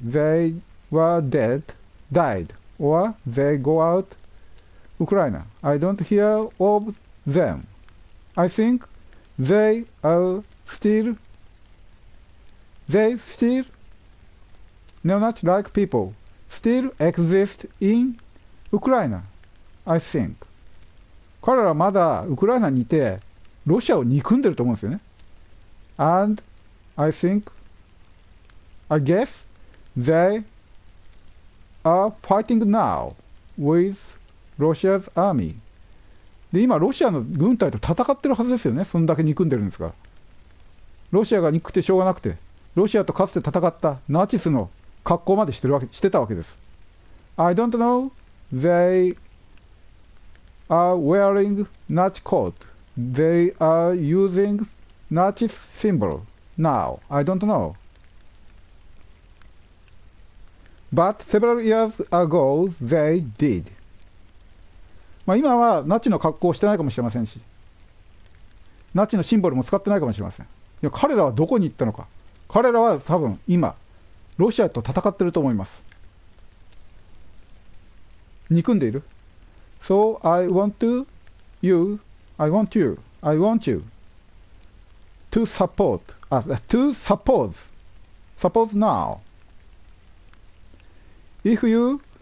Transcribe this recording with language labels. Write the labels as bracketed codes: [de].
[en] They were dead, died, or they go outUkraine. I don't hear of them. I think they are still neo-Nazi-like people still exist in Ukraine. I think. [ja] 彼らはまだウクライナにいてロシアを憎んでると思うんですよね。 [en] And I guess they are fighting now with [ja] ロシアズアーミーで今ロシアの軍隊と戦ってるはずですよね。そんだけ憎んでるんですから。ロシアが憎くてしょうがなくてロシアとかつて戦ったナチスの格好までしてたわけです。 [en] I don't know they are wearing Nazi coat. They are using Nazi symbol now. I don't know. But several years ago they did [ja] まあ、今はナチの格好をしてないかもしれませんし、ナチのシンボルも使ってないかもしれません。いや、彼らはどこに行ったのか。彼らは多分今ロシアと戦ってると思います。憎んでいる。 [en] So I want you to support suppose now if you